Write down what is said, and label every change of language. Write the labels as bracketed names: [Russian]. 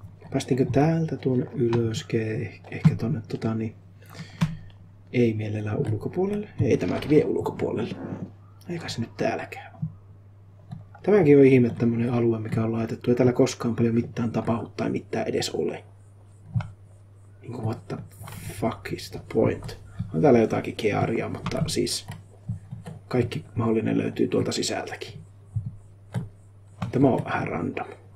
[Finnish] Päästinkö täältä tuonne ylös, ehkä tuonne, ei mielellään ulkopuolelle. Ei tämäkin vie ulkopuolelle. Eikä se nyt täälläkään. Tämäkin on ihme tämmönen alue, mikä on laitettu. Ei täällä koskaan paljon mitään tapahdu tai mitään edes ole. [English] Niinku what the fuck is the point? [Finnish] On täällä jotakin kearia, mutta siis kaikki mahdollinen löytyy tuolta sisältäkin. Tämä on vähän random.